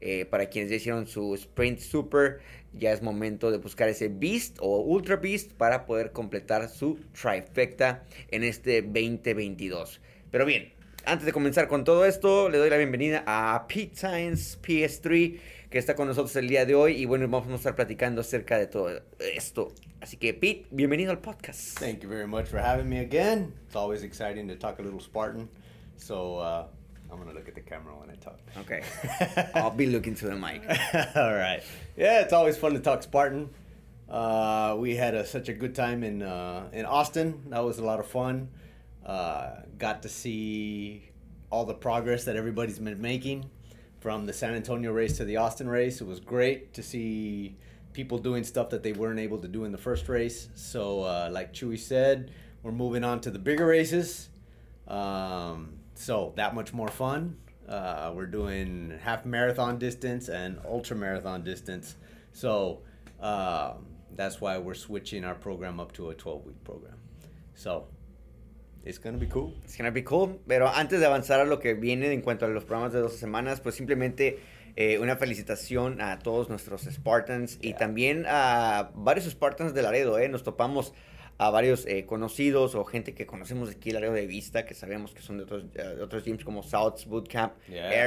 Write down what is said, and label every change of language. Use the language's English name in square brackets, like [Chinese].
[Spanish] Para quienes ya hicieron su Sprint Super, ya es momento de buscar ese Beast o Ultra Beast para poder completar su trifecta en este 2022. Pero bien, antes de comenzar con todo esto, le doy la bienvenida a Pete Science PS3, que está con nosotros el día de hoy. Y bueno, vamos a estar platicando acerca de todo esto. Así que, Pete, bienvenido al podcast. [English] Thank you very much for having me again. It's always exciting to talk a little Spartan. So, I'm going to look at the camera when I talk. Okay. I'll be looking to the mic. All right. Yeah, it's always fun to talk Spartan. We had such a good time in Austin. That was a lot of fun. Got to see all the progress that everybody's been making from the San Antonio race to the Austin race. It was great to see people doing stuff that they weren't able to do in the first race. So, like Chuy said, we're moving on to the bigger races. So that much more fun. We're doing half marathon distance and ultra marathon distance. So that's why we're switching our program up to a 12-week program. So it's going to be cool. It's going to be cool. [Spanish] Pero antes de avanzar a lo que viene en cuanto a los programas de 12 semanas, pues simplemente una felicitación a todos nuestros Spartans. Yeah. Y también a varios Spartans de Laredo. Nos topamos a varios conocidos o gente que conocemos de aquí el área de vista, que sabemos que son de otros gyms como South's Bootcamp. Yeah.